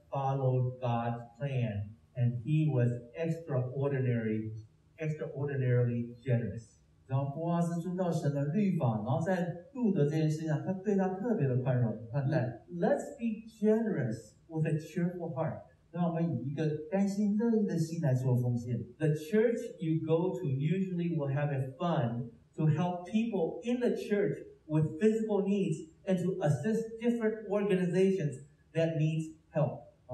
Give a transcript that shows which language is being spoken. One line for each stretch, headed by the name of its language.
English: followed God's plan, and he was extraordinarily generous.
Chinese: 然后波阿斯遵照神的律法，然后在路德这件事上，他对他特别的宽容宽待。
English: Let's be generous with a cheerful heart.
Chinese: 让我们以一个甘心乐意的心来做奉献。
English: The church you go to usually will have a fund to help people in the church with physical needs and to assist different organizations that need help.